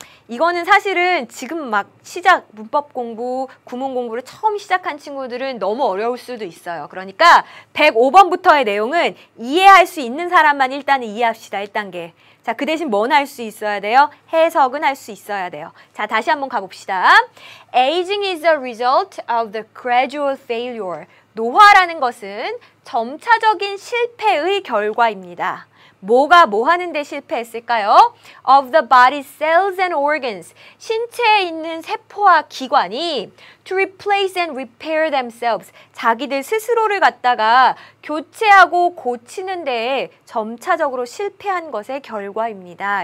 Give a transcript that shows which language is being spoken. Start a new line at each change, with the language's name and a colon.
Korean: 이거는 사실은 지금 막 시작 문법 공부, 구문 공부를 처음 시작한 친구들은 너무 어려울 수도 있어요. 그러니까 105번부터의 내용은 이해할 수 있는 사람만 일단은 이해합시다. 1단계. 자, 그 대신 뭔 할 수 있어야 돼요? 해석은 할 수 있어야 돼요. 자, 다시 한번 가봅시다.
English: Aging is a result of the gradual failure.
Korean: 노화라는 것은 점차적인 실패의 결과입니다. 뭐가 뭐 하는데 실패했을까요?
English: Of the body's cells and organs.
Korean: 신체에 있는 세포와 기관이
English: to replace and repair themselves.
Korean: 자기들 스스로를 갖다가 교체하고 고치는 데에 점차적으로 실패한 것의 결과입니다.